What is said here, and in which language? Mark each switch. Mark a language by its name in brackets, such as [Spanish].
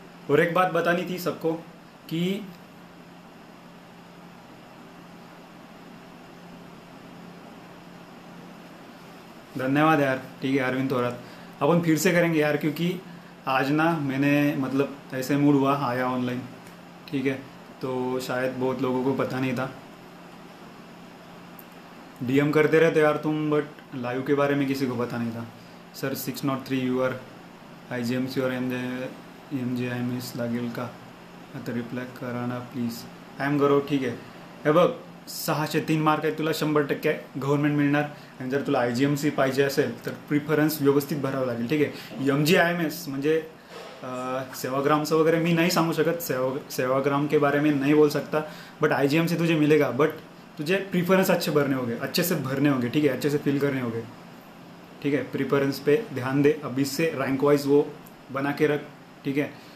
[Hindi] और एक बात बतानी थी सबको कि धन्यवाद यार, ठीक है, अरविंद थोरात, अपन फिर से करेंगे यार, क्योंकि आज ना मैंने मतलब ऐसे मूड हुआ आया ऑनलाइन, ठीक है, तो शायद बहुत लोगों को पता नहीं था, डीएम करते रहते यार तुम, बट लाइव के बारे में किसी को पता नहीं था। [Marathi] Sir 603 you R I G M C और MGIMS लागेल का, आता रिप्लाय कराना प्लीज, [English] I am Gaurav, [Marathi] ठीक है। हे बघ, 603 मार्क आहे तुला, 100% गव्हर्नमेंट मिळणार, आणि जर तुला IGMC पाहिजे असेल तर प्रिफरन्स व्यवस्थित भरावं लागेल, ठीक आहे। MGIMS म्हणजे सेवाग्रामचं वगैरे मी नाही सांगू शकत, [Hindi] सेवाग्राम के बारे में नाही बोल सकता, बट IGMC तुझे मिलेगा, बट तुझे प्रिफरेंस अच्छे भरने होंगे, अच्छे से भरने होंगे, ठीक है, अच्छे से फिल करने होंगे, ठीक है। प्रिफरेंस पे ध्यान दे अभी से, रैंक वाइज वो बना के रख, ठीक है।